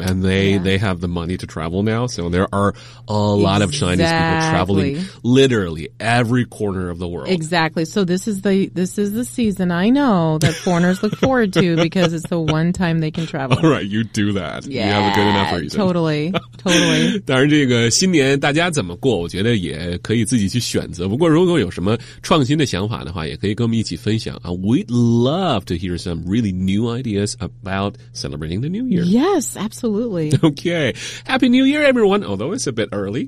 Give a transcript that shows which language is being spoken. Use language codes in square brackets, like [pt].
[en] And they have the money to travel now. So there are a lot of Chinese people traveling literally every corner of the world. Exactly. So this is the season I know that foreigners look forward to because it's the one time they can travel. All right. You do that. Yeah. You have a good enough reason. Totally. Totally. [zh] 当然这个新年大家怎么过我觉得也可以自己去选择。不过如果有什么创新的想法的话也可以跟我们一起分享。 [en] We'd love to hear some really new ideas about celebrating the new year. Yes, absolutely. Okay. Happy New Year, everyone, although it's a bit early.